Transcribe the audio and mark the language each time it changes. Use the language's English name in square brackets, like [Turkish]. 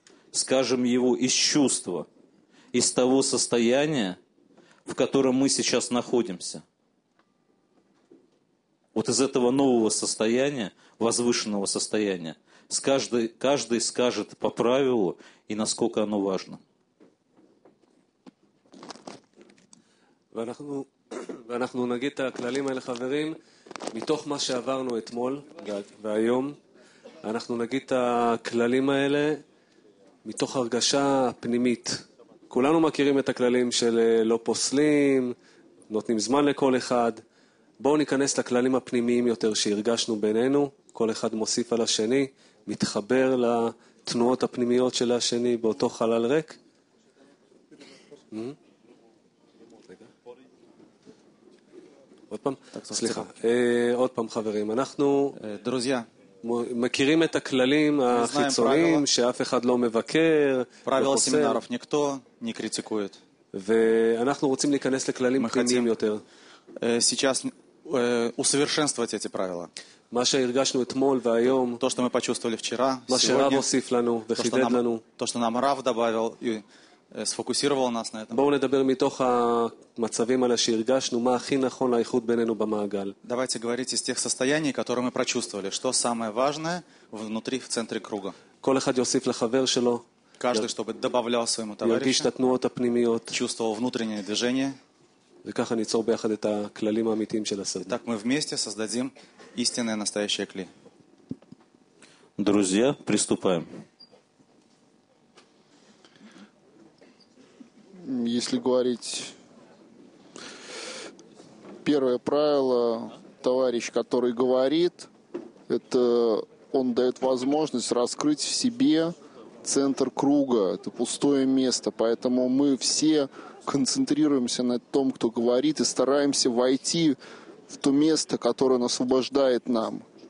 [Russian] Скажем его из чувства, из того состояния, в котором мы сейчас находимся. Вот из этого нового состояния, возвышенного состояния, каждый скажет по правилу и насколько оно важно. [Hebrew] ואנחנו נגיד את הכללים האלה חברים מתוך מה שעברנו אתמול והיום אנחנו נגיד את הכללים האלה מתוך הרגשה פנימית כולנו מכירים את הכללים של לא פוסלים נותנים זמן לכל אחד בואו ניכנס לכללים הפנימיים יותר שהרגשנו בינינו כל אחד מוסיף על השני מתחבר לתנועות הפנימיות של השני באותו חלל ריק עוד פעם, סליחה, עוד פעם חברים, אנחנו... דרוזיה, מכירים את הכללים החיצוניים, שאף אחד לא מבקר, [Russian] правила семинаров никто не критикует. [Hebrew] ואנחנו רוצים להיכנס לכללים פנימיים יותר. [Russian] Сейчас усовершенствовать эти правила. [Hebrew] מה שהרגשנו אתמול והיום, [Russian] то что мы почувствовали вчера, [Hebrew] מה שרב הוסיף לנו וחידד לנו, [Russian] то что нам рав добавил и сфокусировал нас на этом. [Hebrew] בואו נדבר מתוך המצבים האלה שהרגשנו, מה הכי נכון לאיחוד בינינו במעגל. [Russian] Давайте говорить из тех состояний, которые мы прочувствовали, что самое важное внутри в центре круга. [Hebrew] כל אחד יוסיף לחבר שלו, [Russian] каждый чтобы добавлял своему товарищу. [Hebrew] ירגיש את התנועות הפנימיות, [Russian] чувствовал внутреннее движение. [Hebrew] וככה ניצור ביחד את הכללים האמיתיים של הסדנה. [Russian] Так мы вместе создадим истинное настоящее кли. Друзья, приступаем. Если говорить первое правило, товарищ, который говорит, это он даёт возможность раскрыть в себе центр круга, это пустое место, поэтому мы все концентрируемся на том, кто говорит, и стараемся войти в то место, которое он освобождает нам.